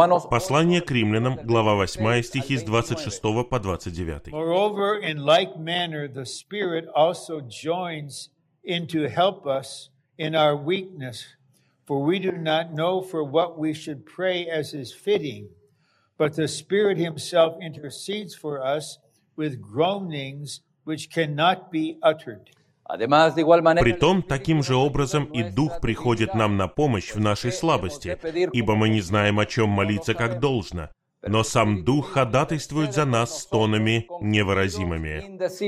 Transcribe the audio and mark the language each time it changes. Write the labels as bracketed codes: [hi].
[ru] Послание к римлянам, глава 8, стихи с 26 по 29. [en] Moreover, in like manner, the Spirit also joins in to help us in our weakness. For we do not know for what we should pray as is fitting, but the Spirit Himself intercedes for us with groanings which cannot be uttered. [ru] Притом, таким же образом и Дух приходит нам на помощь в нашей слабости, ибо мы не знаем, о чем молиться как должно, но сам Дух ходатайствует за нас с тонами невыразимыми.